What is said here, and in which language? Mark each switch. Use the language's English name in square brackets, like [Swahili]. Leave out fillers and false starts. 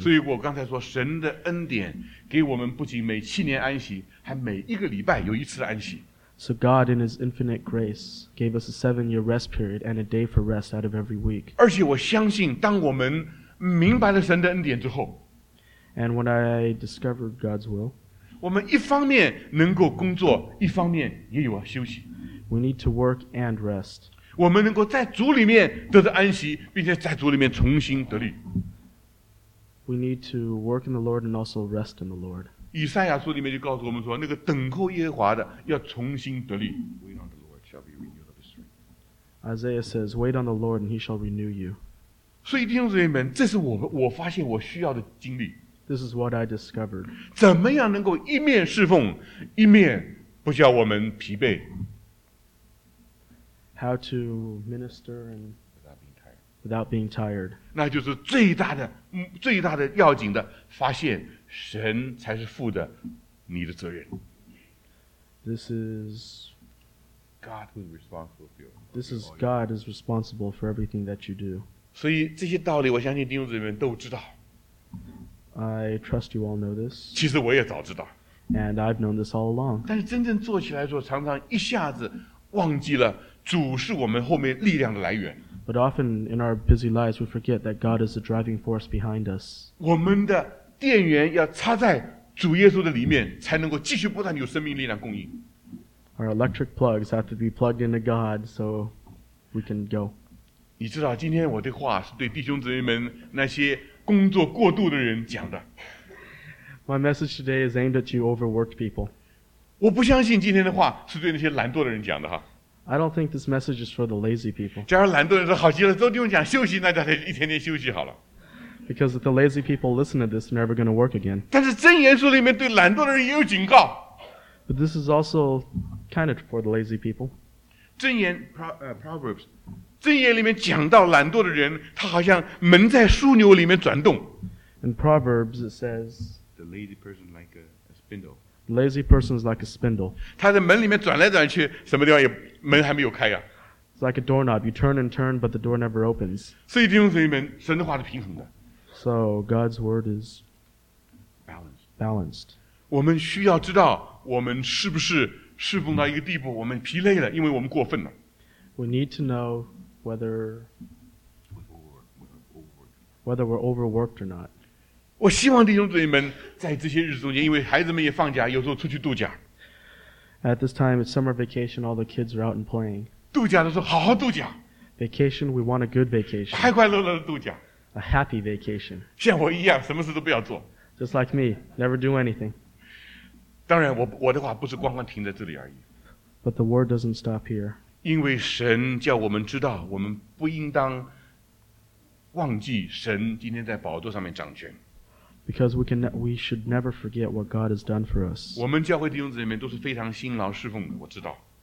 [Chinese] 所以我刚才说，神的恩典给我们不仅每七年安息，还每一个礼拜有一次安息。 [English] So God, in His infinite grace, gave us a seven-year rest period and a day for rest out of every week. [Chinese] 而且我相信，当我们明白了神的恩典之后 [English] ，and when I discovered God's will. [Chinese] 我们一方面能够工作，一方面也有休息。 [English] We need to work and rest. [Chinese] 我们能够在主里面得到安息，并且在主里面重新得力。 [English] We need to work in the Lord and also rest in the Lord. [Chinese] 以赛亚书里面就告诉我们说，那个等候耶和华的要重新得力。 [English] Wait on the Lord, shall be renewed of his strength. Isaiah says, "Wait on the Lord, and He shall renew you." [Chinese] 所以弟兄姊妹们，这是我发现我需要的经历。 [English] This is what I discovered. [Chinese] 怎么样能够一面侍奉，一面不叫我们疲惫 [English] ？How to minister and without being tired? [Chinese] 那就是最大的、最大的要紧的发现，神才是负的你的责任。 [English] This is God who is responsible for you. This is God is responsible for everything that you do. [Chinese] 所以这些道理，我相信弟兄姊妹都知道。 [English] I trust you all know this. [Chinese] 其实我也早知道。 [English] And I've known this all along. [Chinese] 但是真正做起来的时候，常常一下子忘记了主是我们后面力量的来源。 [English] But often in our busy lives, we forget that God is the driving force behind us. [Chinese] 我们的电源要插在主耶稣的里面，才能够继续不断有生命力量供应。 [English] Our electric plugs have to be plugged into God so we can go. [Chinese] 你知道今天我的话是对弟兄姊妹们那些。工作过度的人讲的。 [English] My message today is aimed at you overworked people. [Chinese] 我不相信今天的话是对那些懒惰的人讲的哈。 [English] I don't think this message is for the lazy people. [Chinese] 假如懒惰人说好极了，都不用讲休息，那大家一天天休息好了。 [English] Because if the lazy people listen to this, they're never going to work again. [Chinese] 但是箴言书里面对懒惰的人也有警告。 [English] But this is also kind of for the lazy people. [Chinese] 箴言 Proverbs 箴言里面讲到懒惰的人，他好像门在枢纽里面转动。 [English] In Proverbs it says, the lazy person like a spindle. Lazy person is like a spindle. [Chinese] 他在门里面转来转去，什么地方也门还没有开呀、啊、 [English] It's like a doorknob. You turn and turn, but the door never opens. [Chinese] 所以弟兄姊妹们，神的话是平衡的。 [English] So God's word is balanced. Balanced. [Chinese] 我们需要知道，我们是不是侍奉到一个地步，我们疲累了，因为我们过分了。 [English] We need to know whether we're overworked or not. [Chinese] 我希望弟兄姊妹们在这些日子中间，因为孩子们也放假，有时候出去度假。 [English] At this time, it's summer vacation. All the kids are out and playing. [Chinese] 度假的时候好好度假。 [English] Vacation, we want a good vacation. [Chinese] 快快乐乐的度假。 [English] A happy vacation. [Chinese] 像我一样，什么事都不要做。 [English] Just like me, never do anything. [Chinese] 当然我的话不是光光停在这里而已。 [English] But the word doesn't stop here. [Chinese] 因为神叫我们知道，我们不应当忘记神今天在宝座上面掌权。 [English] Because we should never forget what God has done for us. [Chinese] 我们教会弟兄姊妹们都是非常辛劳侍奉的，我知道。